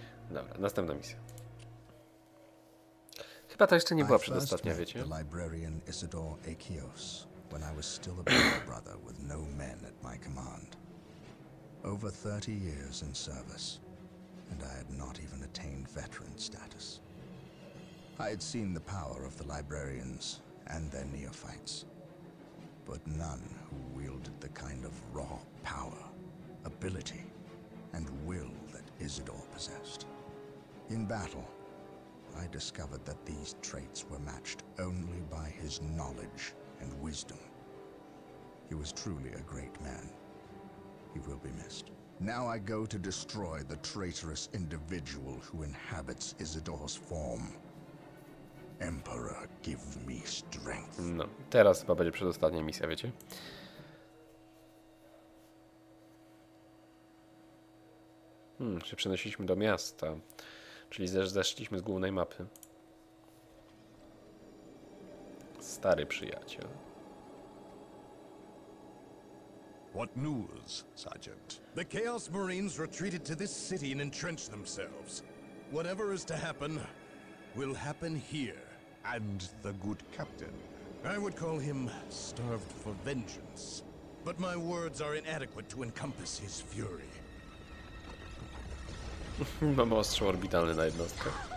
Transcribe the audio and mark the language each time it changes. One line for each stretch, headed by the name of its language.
Polish: Dobra, następna misja. Chyba ta jeszcze nie była przedostatnia, wiecie? Pierwszy raz spotkałem librarian Isidore Akios, kiedy jeszcze byłem młodym brother z
English: no men at my command. Over 30 years in service, and I had not even attained veteran status. I had seen the power of the librarians and their neophytes. But none who wielded the kind of raw power, ability, and will that Isidore possessed. In battle, I discovered that these traits were matched only by his knowledge and wisdom. He was truly a great man. He will be missed. Now I go to destroy the traitorous individual who inhabits Isidore's form. Emperor, give me strength.
Polish: No, teraz chyba będzie przedostatnia misja, wiecie? Się przenosiliśmy do miasta. Czyli zeszliśmy z głównej mapy. Stary przyjaciel.
English: What news, Sergeant? The Chaos Marines retreated to this city and entrenched themselves. Whatever is to happen, will happen here. And the good captain. I would call him starved for vengeance. But my words are inadequate to encompass his fury.
Polish: Mamy ostrzał orbitalny na jednostkę.